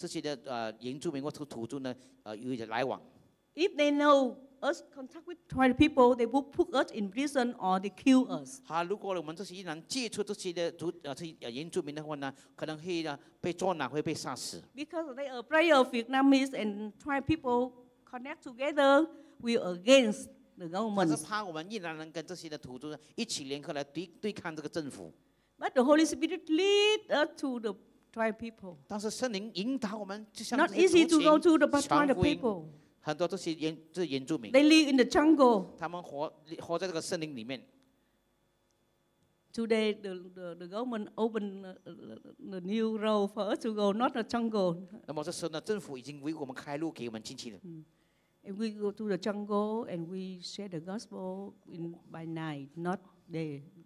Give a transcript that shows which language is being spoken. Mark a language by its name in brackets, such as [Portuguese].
[Chinese] 那么当时呢，他们政府呢不允许我们的越南人跟那些土著原这些的原住民或者土著呢有来往。 [English] If they know us contact with tribal people, they will put us in prison or they kill us. [Chinese] 如果我们这些人接触这些的原住民的话呢，可能会被捉拿，会被杀死。 [English] Because they are afraid of Vietnamese and tribal people connect together, we are against the government. [Chinese] 他是怕我们越南人跟这些的土著一起联合来对抗这个政府。 [English] But the Holy Spirit lead us to the tribe people. [Chinese] 但是圣灵引导我们，就像 [English] not easy to go to the tribe people. [Chinese] 很多这些原住民。 [English] They live in the jungle. [Chinese] 他们活在这个森林里面。 [English] Today the government opened the new road for us to go, not the jungle. [Chinese] 那么这时候呢，政府已经为我们开路，给我们进去了。 [English] We go to the jungle and we share the gospel in by night, not day.